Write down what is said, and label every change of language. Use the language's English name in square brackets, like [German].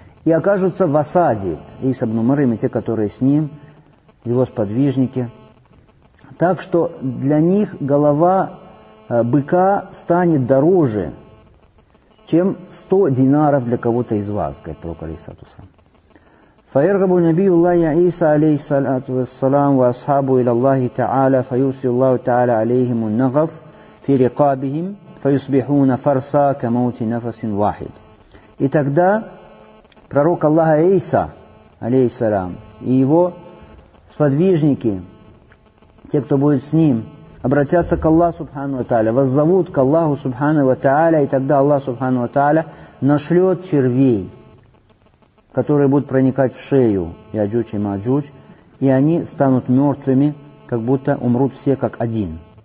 [Russian] И окажутся в осаде Иса ибн Марьям и те, которые с ним, его сподвижники, так что для них голова быка станет дороже, чем 100 динаров для кого-то из вас, говорит пророк алейхиссалатусалам. [Arabic] فيرغب النبي الله عيسى عليه الصلاة والسلام وأصحابه إلى الله تعالى فيرسل الله تعالى عليهم النغف في رقابهم فيصبحون فرسا كموت نفس واحد. [Russian] И тогда пророк Аллаха Иса [Arabic] عليه السلام [Russian] и его сподвижники, те, кто будет с ним, обратятся к Аллаху Субхану ва Тааля, воззовут к Аллаху Субхану ва Тааля, и тогда Аллах Субхану ва Тааля нашлет червей, которые будут проникать в шею Яджуч и Маджуч, и они станут мертвыми, как будто умрут все как один.